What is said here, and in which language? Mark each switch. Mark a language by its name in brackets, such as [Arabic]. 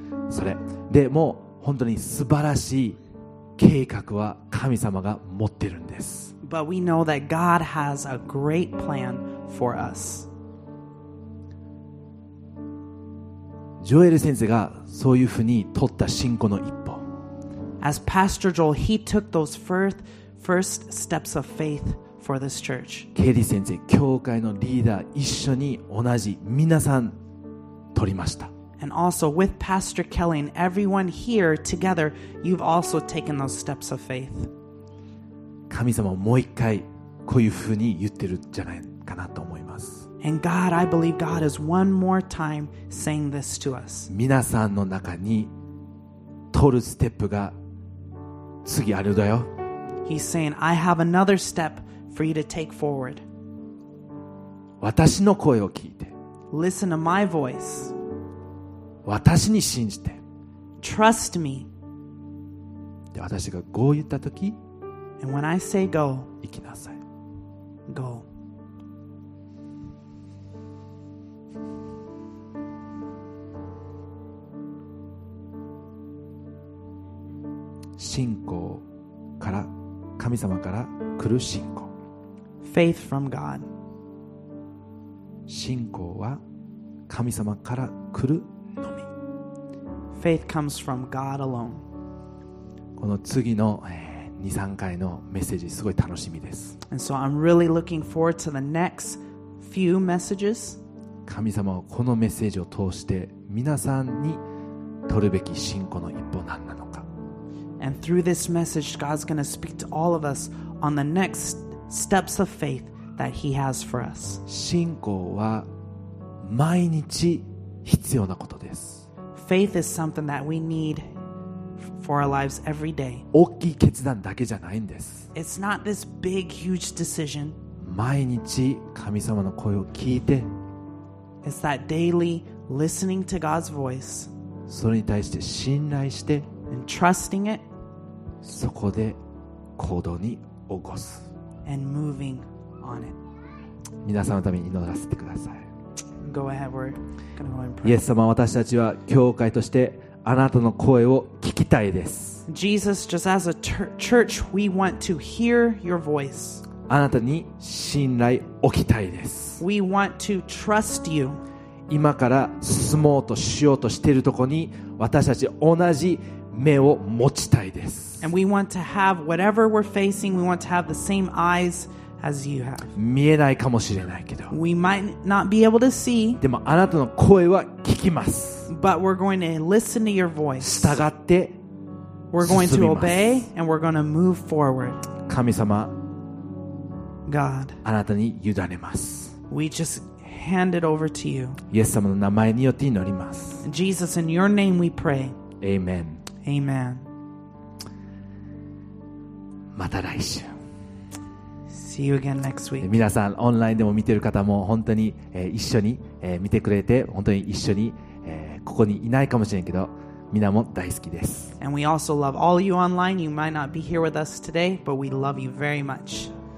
[Japanese] それでも本当に素晴らしい計画は神様が持ってるんです。 [English] But we know that God has a great plan for us. [Japanese] ジョエル先生がそういうふうに取った信仰の一歩。 [English] As Pastor Joel, he took those first steps of faith for this church. [Japanese] ケリー先生、教会のリーダー一緒に同じ皆さん取りました。 [English] And also with Pastor Kelly and everyone here together, you've also taken those steps of faith. [Japanese] 神様もう一回こういうふうに言ってるんじゃないかなと思います。 [English] And God, I believe God is one more time saying this to us. [Japanese] 皆さんの中に取るステップが次あるだよ。 [English] He's saying, I have another step for you to take forward. [Japanese] 私の声を聞いて。 [English] Listen to my voice. [Japanese] 私に信じて。 [English] Trust me. [Japanese] で、私が Go 言った時。 [English] And when I say Go, [Japanese] 行きなさい。 [English] Go. [Japanese] 信仰から神様から来る信仰 [English] Faith from God [Japanese] 信仰は神様から来るのみ [English] Faith comes from God alone [Japanese] この次の 2,3 回のメッセージすごい楽しみです [English] And so I'm really looking forward to the next few messages [Japanese] 神様はこのメッセージを通して皆さんに取るべき信仰の一歩何なのか [English] And through this message, God's going to speak to all of us on the next steps of faith that He has for us. [Japanese] 信仰は毎日必要なことです。 [English] Faith is something that we need for our lives every day. [Japanese] 大きい決断だけじゃないんです。 [English] It's not this big, huge decision. [Japanese] 毎日神様の声を聞いて。 [English] It's that daily listening to God's voice. [Japanese] それに対して信頼して。 [English] And trusting it, [Japanese] そこで行動に起こす。 [English] And moving on it. [Japanese] 皆さんのために祈らせてください。 [English] Go ahead, we're gonna go and pray. [Japanese] イエス様、私たちは教会としてあなたの声を聞きたいです。 [English] Jesus, just as a church, we want to hear your voice. [Japanese] あなたに信頼置きたいです。 [English] We want to trust you. [Japanese] 今から進もうとしようとしているところに私たち同じ目を持ちたいです。 [English] And we want to have whatever we're facing, we want to have the same eyes as you have. [Japanese] 見えないかもしれないけど。 [English] We might not be able to see. [Japanese] でもあなたの声は聞きます。 [English] But we're going to listen to your voice. [Japanese] 従って進みます。 [English] We're going to obey and we're going to move forward. [Japanese] 神様、 [English] God, [Japanese] あなたに委ねます。 [English] We justHand it over to you. [Japanese] イエス様の名前によって祈ります。 [English] Jesus, in your name we pray. Amen. Amen. [Japanese] また来週。 [English] See you again next week. [Japanese] 皆さん、オンラインでも見ている方も本当に、一緒に、見てくれて、本当に一緒に、ここにいないかもしれないけど、みんなも大好きです。 [English] And we also love all you online. You might not be here with us today, but we love you very much.